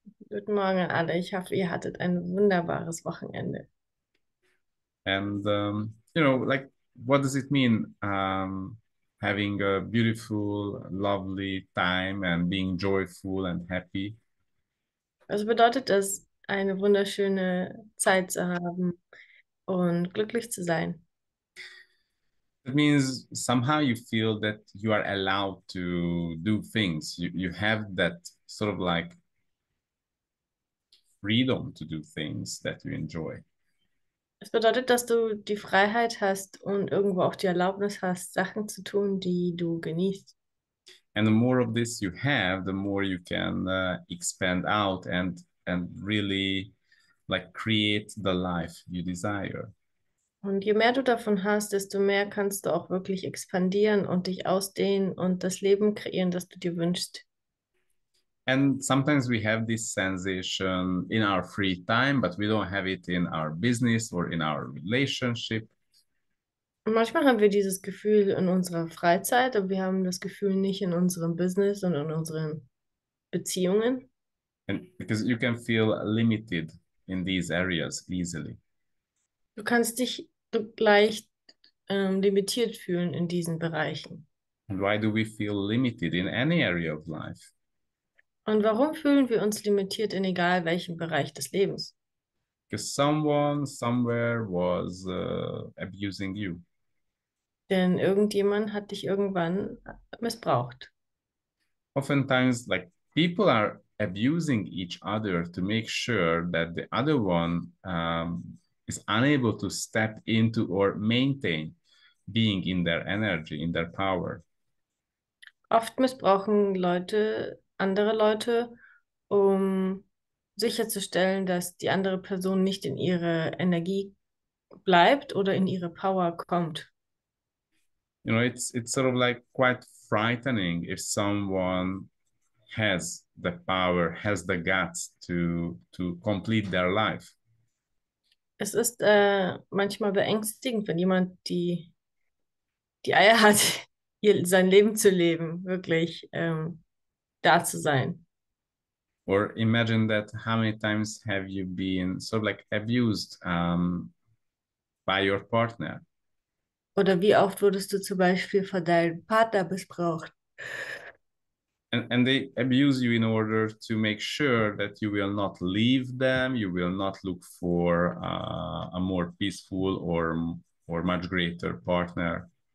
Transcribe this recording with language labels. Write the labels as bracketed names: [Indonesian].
[German] Guten Morgen alle, ich hoffe, ihr hattet ein wunderbares Wochenende. [English] And like, what does it mean having a beautiful, lovely time and being joyful and happy? [German] Was bedeutet es, eine wunderschöne Zeit zu haben und glücklich zu sein? [English] It means somehow you feel that you are allowed to do things. You have that sort of like freedom to do things that you enjoy. [German] Es bedeutet, dass du die Freiheit hast und irgendwo auch die Erlaubnis hast, Sachen zu tun, die du genießt. [English] And the more of this you have, the more you can expand out and really like create the life you desire. [German] Und je mehr du davon hast, desto mehr kannst du auch wirklich expandieren und dich ausdehnen und das Leben kreieren, das du dir wünschst. [English] And sometimes we have this sensation in our free time, but we don't have it in our business or in our relationship. [German] Manchmal haben wir dieses Gefühl in unserer Freizeit, aber wir haben das Gefühl nicht in unserem Business und in unseren Beziehungen. [English] And because you can feel limited in these areas easily. [German] Du kannst dich leicht limitiert fühlen in diesen Bereichen. [English] And why do we feel limited in any area of life? [German] Und warum fühlen wir uns limitiert in egal welchem Bereich des Lebens? [English] Because someone somewhere was abusing you. [German] Denn irgendjemand hat dich irgendwann missbraucht. [English] Oftentimes, like people are abusing each other to make sure that the other one is unable to step into or maintain being in their energy, in their power. [German] Oft missbrauchen Leute andere Leute, um sicherzustellen, dass die andere Person nicht in ihre Energie bleibt oder in ihre Power kommt. [English] You know, it's sort of like quite frightening if someone has the power, has the guts to complete their life. [German] Es ist manchmal beängstigend, wenn jemand die Eier hat, sein Leben zu leben, wirklich da zu sein. [English] Or imagine that how many times have you been sort of like abused by your partner? [German] Oder wie oft wurdest du zum Beispiel von deinem Partner missbraucht? [English] And they abuse you in order to make sure that you will not leave them, you will not look for a more peaceful or much greater partner.